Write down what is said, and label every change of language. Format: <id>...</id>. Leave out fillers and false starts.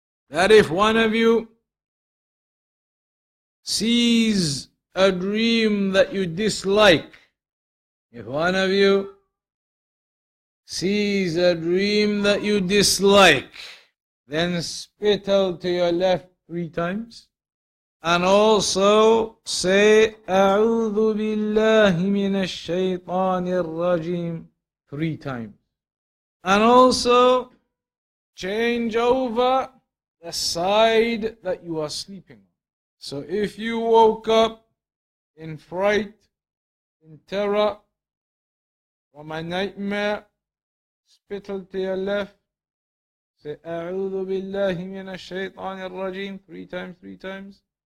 <en>That if one of you sees a dream that you dislike, if one of you sees a dream that you dislike, then spittle to your left 3 times. And also say,</en> <ar>أعوذ بالله من الشيطان الرجيم</ar> <en>3 times. And also change over the side that you are sleeping on. So if you woke up in fright, in terror, from a nightmare, spittle to your left, say,</en> <ar>أعوذ بالله من الشيطان الرجيم,</ar> <en>3 times, 3 times.</en>